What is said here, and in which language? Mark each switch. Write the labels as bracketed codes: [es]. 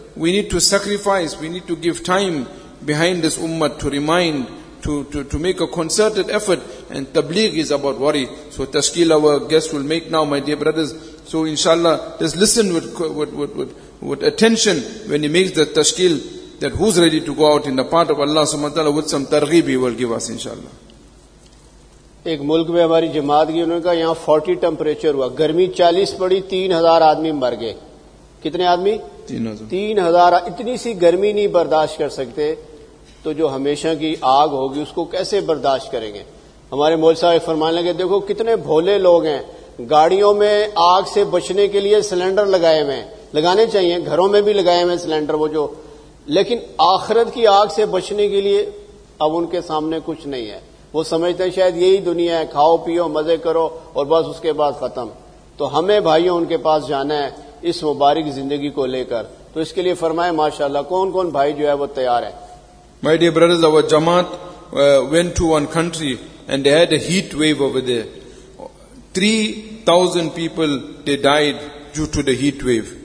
[en] We need to sacrifice. We need to give time behind this ummah to remind, to make a concerted effort. And tabligh is about worry. So tashkil our guest will make now, my dear brothers. So inshallah, just listen with attention when he makes the tashkil, that who's ready to go out in the path of Allah subhanahu wa ta'ala, with some targhib he will give us inshallah. [ur] ایک ملک میں ہماری جماعت کی انہوں نے کہا یہاں 40 temperature ہوا, گرمی 40 پڑی, 3000 آدمی مر گئے. کتنے آدمی؟ 3000. اتنی سی گرمی نہیں برداشت کر سکتے تو جو ہمیشہ کی آگ ہوگی اس کو کیسے برداشت کریں گے؟ ہمارے مول صاحب فرمانے لگے دیکھو کتنے بھولے لوگ ہیں, گاڑیوں میں آگ سے بچنے کے لیے سلینڈر لگائے ہوئے ہیں, لگانے چاہیے, گھروں میں بھی لگائے ہوئے ہیں سلینڈر, وہ جو لیکن آخرت کی آگ سے بچنے کے لیے اب ان کے سامنے کچھ نہیں ہے. وہ سمجھتے ہیں شاید یہی دنیا ہے, کھاؤ پیو مزے کرو اور بس اس کے بعد ختم. تو ہمیں بھائیوں ان کے پاس جانا ہے اس مبارک زندگی کو لے کر. تو اس کے لیے فرمائے ماشاءاللہ کون کون بھائی جو ہے وہ تیار ہے. [en] My dear brothers, اور جماعت went to one country and they had a heat wave over there. 3,000 people they died due to the heat wave.